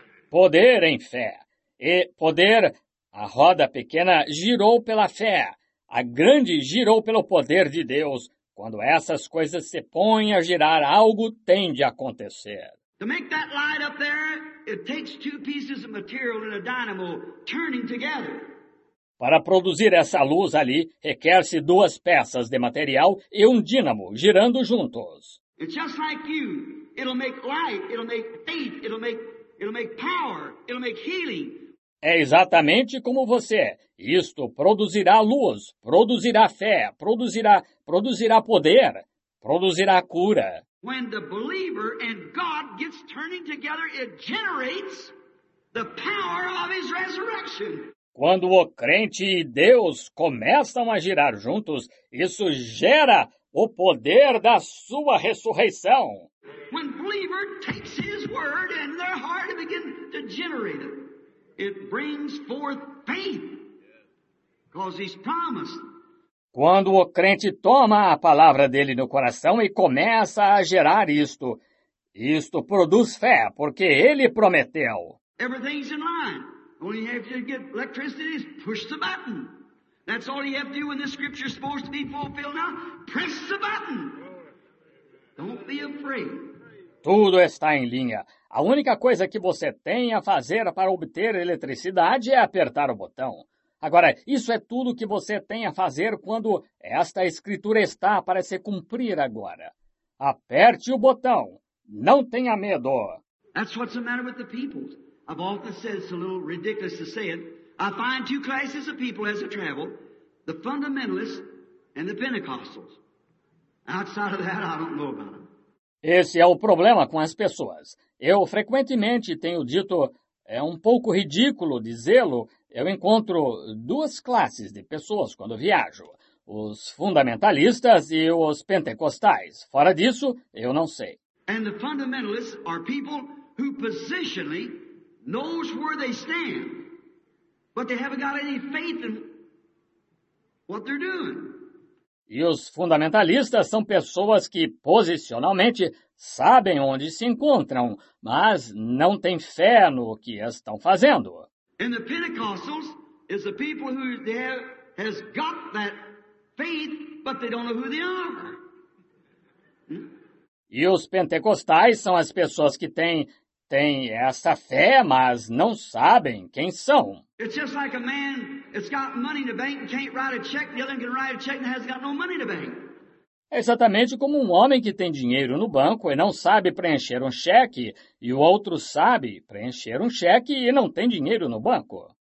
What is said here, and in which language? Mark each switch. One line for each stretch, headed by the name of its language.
Portuguese: Poder em fé. E poder, a roda pequena girou pela fé. A grande girou pelo poder de Deus. Quando essas coisas se põem a girar, algo tem de acontecer.
English: To make that light up there, it takes two pieces of material and a dynamo turning together.
Portuguese: Para produzir essa luz ali, requer-se duas peças de material e um dínamo girando juntos.
English: It's just like you. It'll make light, it'll make faith, it'll make power, it'll make healing.
Portuguese: É exatamente como você. Isto produzirá luz, produzirá fé, produzirá poder, produzirá cura.
English: When the believer and God gets turning together, it generates the power of His resurrection.
Portuguese: Quando o crente e Deus começam a girar juntos, isso gera o poder da sua ressurreição.
English: When believer takes His word in their heart and begins to generate it. It brings forth faith, because he's promised.
Portuguese: Quando o crente toma a palavra dele no coração e começa a gerar isto, isto produz fé, porque ele prometeu.
English: Everything's in line. All you have to get electricity is push the button. That's all you have to do when this scripture is supposed to be fulfilled now. Press the button. Don't be afraid.
Portuguese: Tudo está em linha. A única coisa que você tem a fazer para obter eletricidade é apertar o botão. Agora, isso é tudo que você tem a fazer quando esta escritura está para se cumprir agora. Aperte o botão. Não tenha medo.
English: That's what's the matter with the people. I've often said it's a little ridiculous to say it. I find two classes of people as I travel, the fundamentalists and the Pentecostals. Outside of that, I don't know about them.
Portuguese: Esse é o problema com as pessoas. Eu frequentemente tenho dito, é um pouco ridículo dizê-lo, eu encontro duas classes de pessoas quando viajo, os fundamentalistas e os pentecostais. Fora disso, eu não sei.
English: And the fundamentalists are people who positionally knows where they stand, but they haven't got any faith in what they're doing.
Portuguese: E os fundamentalistas são pessoas que, posicionalmente, sabem onde se encontram, mas não têm fé no que estão fazendo.
English: And the Pentecostals is the people who there has got that faith, but they don't know who they are.
Portuguese: E os pentecostais são as pessoas que têm essa fé, mas não sabem quem são.
English: It's just like a man that's got money in the bank and can't write a check, the other can write a check and hasn't got no money in the bank.
Portuguese: É exatamente como um homem que tem dinheiro no banco e não sabe preencher um cheque, e o outro sabe preencher um cheque e não tem dinheiro no banco.